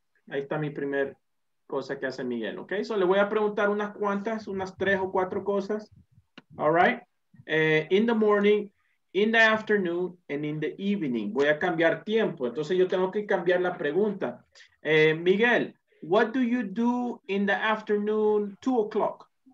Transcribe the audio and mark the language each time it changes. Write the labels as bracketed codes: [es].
[es] Ahí está mi primer cosa que hace Miguel, ¿ok? So, le voy a preguntar unas 3 o 4 cosas, all right? [en] In the morning, in the afternoon, and in the evening. [es] Voy a cambiar tiempo, entonces yo tengo que cambiar la pregunta. [en] Miguel, what do you do in the afternoon, 2 o'clock?